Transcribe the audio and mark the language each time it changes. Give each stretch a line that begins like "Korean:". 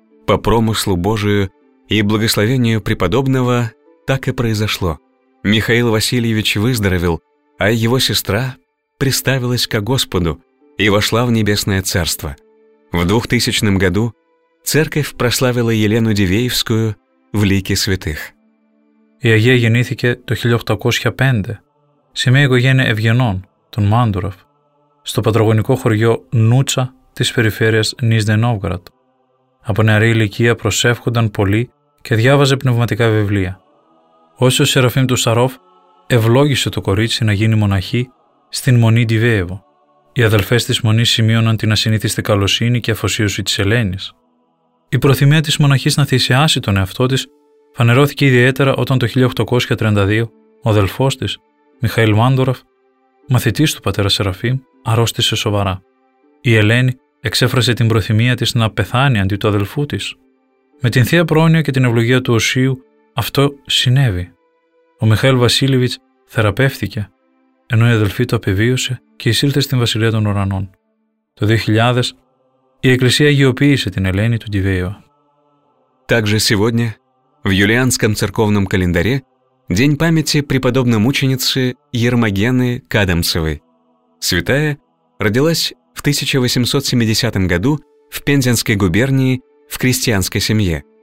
Russian: По промыслу Божию и благословению преподобного так и произошло. Михаил Васильевич выздоровел, а его сестра приставилась ко Господу и вошла в Небесное Царство. В 2000 году Церковь прославила Елену Дивеевскую в лике святых.
Greek: Η Αγία γεννήθηκε το 1805 σε μια οικογένεια ευγενών, των Μάντουροφ, στο πατρογονικό χωριό Νούτσα της περιφέρειας Νίζνε Νόβγαρατ. Από νεαρή ηλικία προσεύχονταν πολύ και διάβαζε πνευματικά βιβλία. Όσο ο Σεραφείμ του Σαρόφ ευλόγησε το κορίτσι να γίνει μοναχή στην Μονή Ντιβέεβο. Οι αδελφές της Μονής σημείωναν την ασυνήθιστη καλοσύνη και αφοσίωση της Ελένης. Η προθυμία της μοναχής να θυσιάσει τον εαυτό της φανερώθηκε ιδιαίτερα όταν το 1832 ο αδελφός της, Μιχαήλ Μάντουροφ, μαθητής του πατέρα Σεραφείμ, αρρώστησε σοβαρά. Η Ελένη εξέφρασε την προθυμία της να πεθάνει αντί του αδελφού της. Με την θεία πρόνοια και την ευλογία του Οσίου, αυτό συνέβη. Ο Μιχαήλ Βασίλειβιτς θεραπεύθηκε, ενώ η αδελφή του επιβίωσε και εισήλθε στην Βασιλεία των Ουρανών. Το 2000, η Εκκλησία αγιοποίησε την Ελένη του Ντιβέιβα.
Russian: Также сегодня, в юлианском церковном календаре, день памяти преподобной мученицы Ермогены Кадамцевой. Святая родилась в 1870 году в Пензенской губернии в крестьянской семье.